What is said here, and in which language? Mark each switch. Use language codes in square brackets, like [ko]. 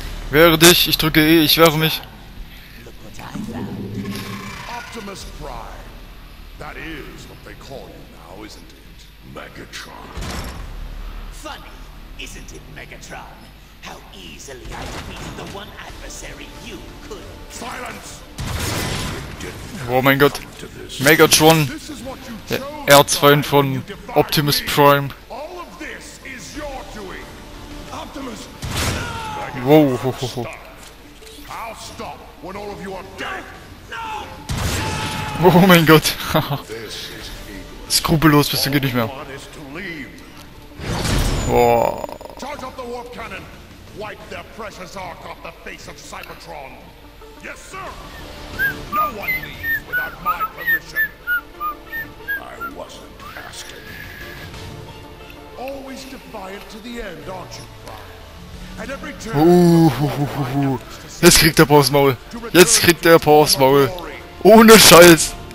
[de] Wehre dich, ich drücke E, ich wehre mich. [en] Optimus Prime. That is what they call you now, isn't it? Megatron. Funny, isn't it, Megatron? How easily I defeated the one adversary you could. Silence! [de] Oh mein Gott. Megatron. Der Erzfeind von Optimus Prime. [en] All of this is your doing. Optimus. Whoa, ho, ho, ho. I'll stop when all of you are dead. [de] Oh mein Gott. Skrupellos bist du, geht nicht mehr. [en] Charge up the warp cannon. Wipe their precious arc off the face of Cybertron. Yes, sir. No one leaves without my permission. I wasn't asking. Always defiant to the end, aren't you, Prime? [de] Jetzt kriegt der Paar aufs Maul. Jetzt kriegt der Paar aufs Maul. Ohne Scheiß.